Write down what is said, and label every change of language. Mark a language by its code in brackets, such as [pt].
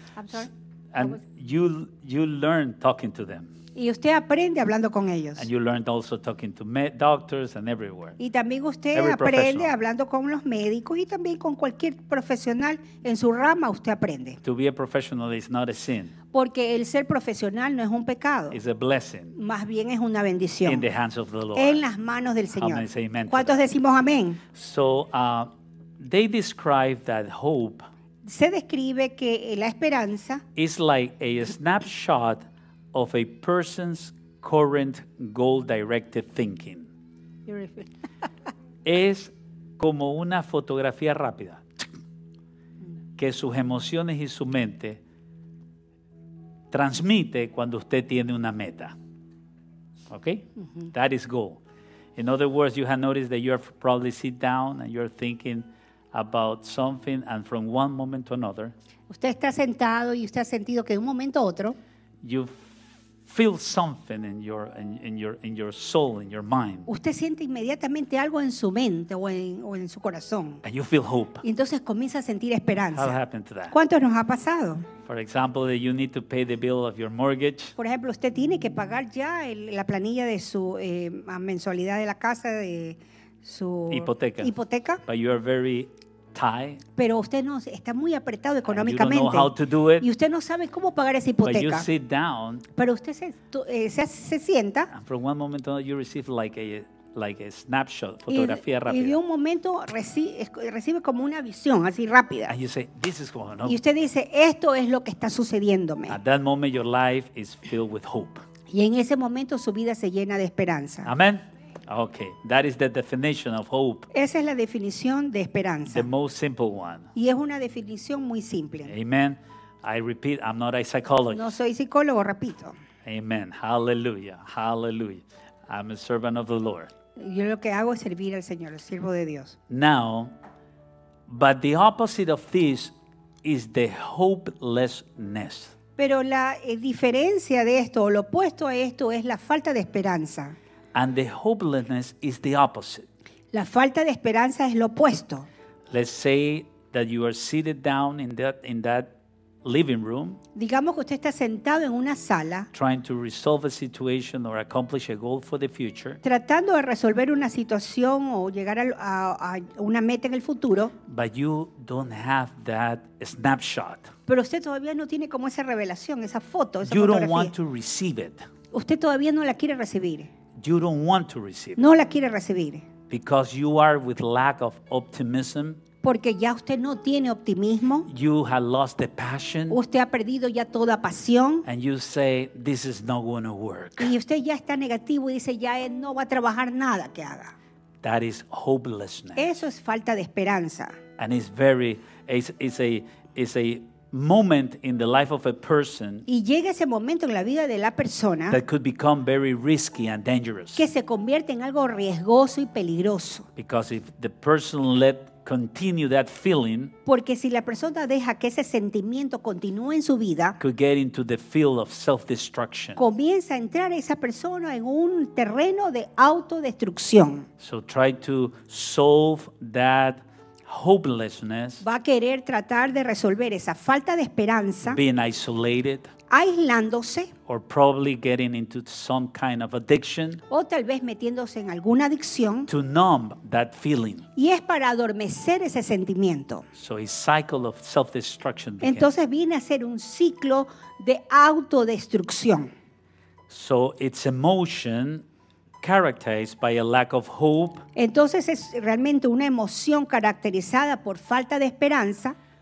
[en] I'm sorry. And you learn talking to them. [es] Y usted aprende hablando con ellos. [en] And you learn also talking to doctors and everywhere. [es] Y también usted [en] Every [es] aprende hablando con los médicos y también con cualquier profesional en su rama usted aprende. [en] To be a professional is not a sin. [es] Porque el ser profesional no es un pecado. [en] It's a blessing. [es] Más bien es una bendición. [en] In the hands of the Lord. [es] En las manos del Señor. [en] How many say amen? [es] ¿Cuántos decimos amén? [en] So they describe that hope. [es] Se describe que la esperanza [en] is like a snapshot of a person's current goal-directed thinking. [es] Es como una fotografía rápida que sus emociones y su mente transmite cuando usted tiene una meta. [en] Okay? Mm-hmm. That is goal. In other words, you have noticed that you are probably sit down and you're thinking about something and from one moment to another. [es] Usted está sentado y usted ha sentido que de un momento a otro [en] you feel something in your soul, in your mind. [es] Usted siente inmediatamente algo en su mente o en su corazón. [en] And you feel hope. [es] Y entonces comienza a sentir esperanza. [en] How happened to that? [es] ¿Cuánto nos ha pasado? [en] For example, that you need to pay the bill of your mortgage. [es] Por ejemplo, usted tiene que pagar ya la planilla de su mensualidad de la casa, de su hipoteca. [en] But you are very tight. [es] Pero usted no está muy apretado económicamente. Y usted no sabe cómo pagar esa hipoteca. [en] But you sit down, [es] pero usted se sienta. [en] And for one moment you receive like a snapshot, [es] fotografía rápida. Y de un momento recibe como una visión así rápida. [en] And you say, this is going on. [es] Y usted dice, esto es lo que está sucediéndome. [en] At that moment your life is filled with hope. [es] Y en ese momento su vida se llena de esperanza. [en] Amén. Okay, that is the definition of hope. [es] Esa es la definición de esperanza. [en] The most simple one. [es] Y es una definición muy simple. [en] Amen. I repeat, I'm not a psychologist. [es] No soy psicólogo, repito. [en] Amen. Hallelujah. Hallelujah. I'm a servant of the Lord. [es] Yo lo que hago es servir al Señor, el siervo de Dios. [en] Now, but the opposite of this is the hopelessness. [es] Pero la diferencia de esto, o lo opuesto a esto, es la falta de esperanza. [en] And the hopelessness is the opposite. [es] La falta de esperanza es lo opuesto. [en] Let's say that you are seated down in that living room. [es] Digamos que usted está sentado en una sala. [en] Trying to resolve a situation or accomplish a goal for the future. [es] Tratando de resolver una situación o llegar a una meta en el futuro. [en] But you don't have that snapshot. [es] Pero usted todavía no tiene como esa revelación, esa foto, esa [en] you [es] fotografía. [en] Don't want to receive it. [es] Usted todavía no la quiere recibir. [en] You don't want to receive. [es] No la quiere recibir. [en] Because you are with lack of optimism. [es] Porque ya usted no tiene optimismo. [en] You have lost the passion. [es] Usted ha perdido ya toda pasión. [en] And you say, this is not going to work. [es] Y usted ya está negativo y dice, ya no va a trabajar nada que haga. [en] That is hopelessness. [es] Eso es falta de esperanza. [en] And it's a moment in the life of a person. [es] Y llega ese momento en la vida de la persona. [en] That could become very risky and dangerous. [es] Que se convierte en algo riesgoso y peligroso. [en] Because if the person let continue that feeling. [es] Porque si la persona deja que ese sentimiento continúe en su vida. [en] Could get into the field of self-destruction. [es] Comienza a entrar esa persona en un terreno de autodestrucción. [en] So try to solve that hopelessness. [es] Va a querer tratar de resolver esa falta de esperanza. [en] Being isolated. [es] Aislándose. [en] Or probably getting into some kind of addiction. [es] O tal vez metiéndose en alguna adicción. [en] To numb that feeling. [es] Y es para adormecer ese sentimiento. [en] So a cycle of self-destruction begins. [es] Entonces viene a ser un ciclo de autodestrucción. [en] So it's emotion characterized by a lack of hope. [es] Entonces es realmente una emoción caracterizada por falta de esperanza.